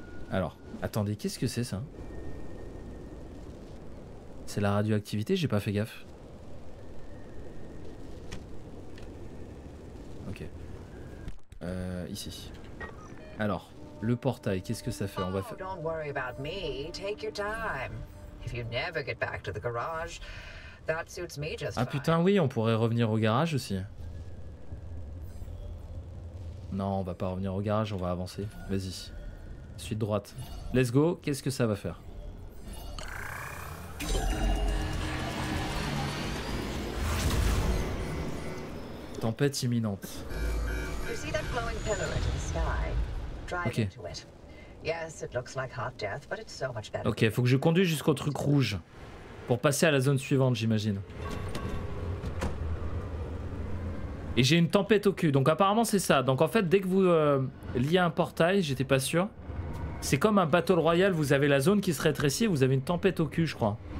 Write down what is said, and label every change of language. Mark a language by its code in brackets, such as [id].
[fr] Alors, attendez, qu'est-ce que c'est ça? C'est la radioactivité, j'ai pas fait gaffe. Ok. Ici. Alors, le portail, qu'est-ce que ça fait? On va faire. [en] Don't worry about me, take your time. If you never get back to the garage, that suits me just fine. [fr] Ah putain, oui, on pourrait revenir au garage aussi. Non, on va pas revenir au garage, on va avancer. Vas-y. Suite droite. [en] Let's go, [fr] qu'est-ce que ça va faire? Tempête imminente. [en] You see that glowing pillar in the sky? Drive okay. Into it. Yes, it looks like hot death, but it's so much better. [fr] Ok, faut que je conduise jusqu'au truc rouge. Pour passer à la zone suivante, j'imagine. Et j'ai une tempête au cul, donc apparemment c'est ça. Donc en fait, dès que vous liez un portail, j'étais pas sûr. C'est comme un battle royale, vous avez la zone qui se rétrécit et vous avez une tempête au cul, je crois.